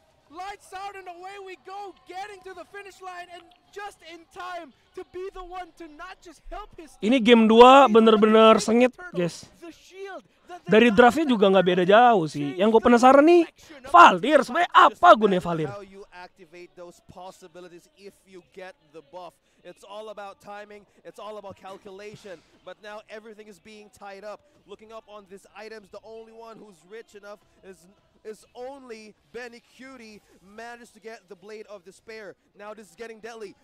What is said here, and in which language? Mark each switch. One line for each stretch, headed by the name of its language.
English: Lights out and away we go, getting to the finish line and just in time to be the one to not just help his.
Indonesian: Ini game 2 benar-benar sengit, guys. Dari draftnya juga nggak beda jauh sih. Yang gue penasaran nih, Valir, sebenarnya apa gunanya Valir?
English: How you activate those possibilities if you get the buff. It's all about timing, it's all about calculation. But now everything is being tied up. Looking up on these items, the only one who's rich enough is only Benny Cutie managed to get the Blade of Despair. Now this is getting deadly.